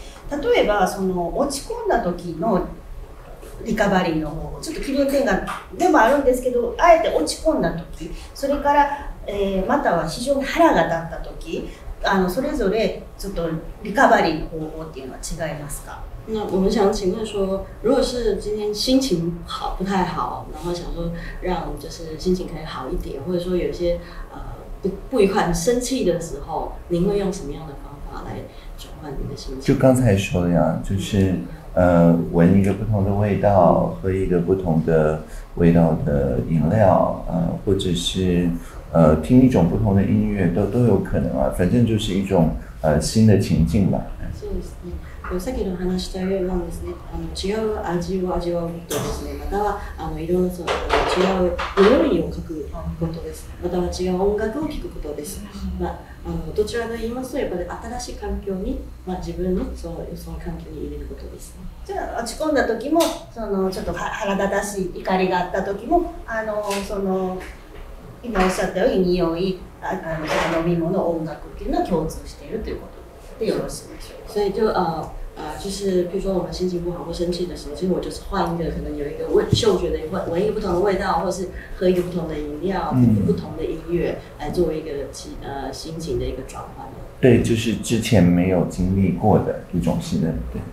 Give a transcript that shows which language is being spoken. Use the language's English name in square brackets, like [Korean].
[Japanese] 例えばその落ち込んだ時のリカバリーの方法、ちょっと気分転換でもあるんですけど、あえて落ち込んだ時、それから、または非常に腹が立った時、それぞれちょっとリカバリーの方法っていうのは違いますか？ [Chinese] 那我们想请问说，如果是今天心情好不太好，然后想说让就是心情可以好一点，或者说有些不愉快、生气的时候，您会用什么样的方法来转换您的心情？就刚才说的呀，就是闻一个不同的味道，喝一个不同的味道的饮料，或者是听一种不同的音乐，都有可能啊。反正就是一种新的情境吧。 [Japanese] そうですね。先ほど話したようなですね、違う味を味わうとですね、またはいろんな違う料理を書くことです。または違う音楽を聴くことです。まあどちらと言いますと、やっぱり新しい環境に、まあ、自分のその環境に入れることです、ね。じゃあ落ち込んだ時も、そのちょっと腹立たしい怒りがあった時も、その今おっしゃったように匂い、飲み物、音楽っていうのは共通しているということでよろしいでしょうか。 [Chinese] 所以就就是譬如说我们心情不好或生气的时候，其实我就是换一个，可能有一个味嗅觉的闻一个不同的味道，或是喝一个不同的饮料，听不同的音乐，来作为一个心情的一个转换。对，就是之前没有经历过的一种新的，对。